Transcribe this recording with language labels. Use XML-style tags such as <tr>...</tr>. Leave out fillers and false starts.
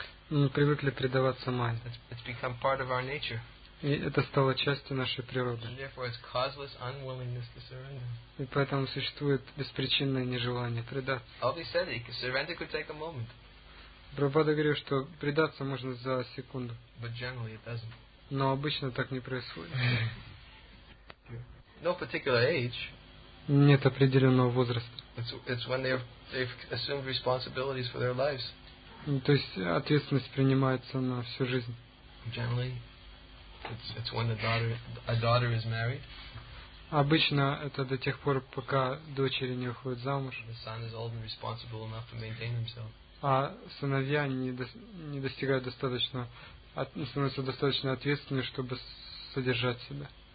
<ru>Мы привыкли предаваться Майе.</ru> <en>It's become part of our nature.</en> <ru>И это стало частью нашей природы.</ru> <en>And therefore it's causeless unwillingness to surrender.</en> <ru>И поэтому существует беспричинное нежелание предаться.</ru> <en>All he said, he could surrender could take a moment.</en> <ru>Прабхупада говорил, что предаться можно за секунду.</ru> <en>But generally it doesn't.</en> <ru>Но обычно так не происходит.</ru> <en>No particular age.</en> <ru>Нет определенного возраста.</ru> <en>It's when they've assumed responsibilities for their lives.</en> <ru>То есть ответственность принимается на всю жизнь.</ru> <en>Generally, it's when a daughter is married.</en> <ru>Обычно это до тех пор, пока дочери не выходят замуж.</ru> <en>The son is old and responsible enough to maintain himself.</en> <ru>А сыновья не достигают достаточно, становятся достаточно ответственными, чтобы содержать себя.</ru>